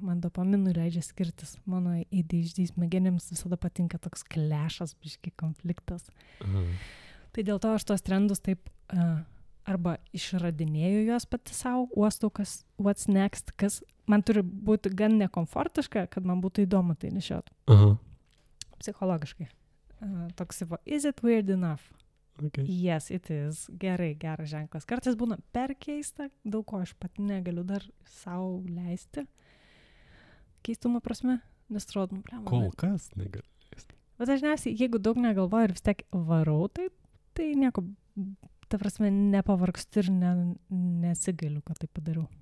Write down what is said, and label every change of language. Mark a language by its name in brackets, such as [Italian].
[Lithuanian] Man dopaminų leidžia skirtis. Mano ADHD smegenėms visada patinka toks klešas, biškį konfliktas. Aha. Tai dėl to aš tuos trendus taip arba išradinėju juos pati savo, uostau, kas [English] what's next, [Lithuanian] kas man turi būti gan nekomfortiška, kad man būtų įdomu tai nešiot. Aha. Psichologiškai. Toks įvo, [English] is it weird enough? Okay. Yes, it is. [Lithuanian] Gerai, geras ženklas. Kartais būna per keista, daug ko aš pat negaliu dar savo leisti. Keistumo prasme, nes atrodo, man problemų. Kol kas negaliu leisti. Bet dažniausiai, jeigu daug negalvoju ir vis tiek varau taip, tai nieko, ta prasme, nepavargstu ir nesigailiu, kad tai padariau.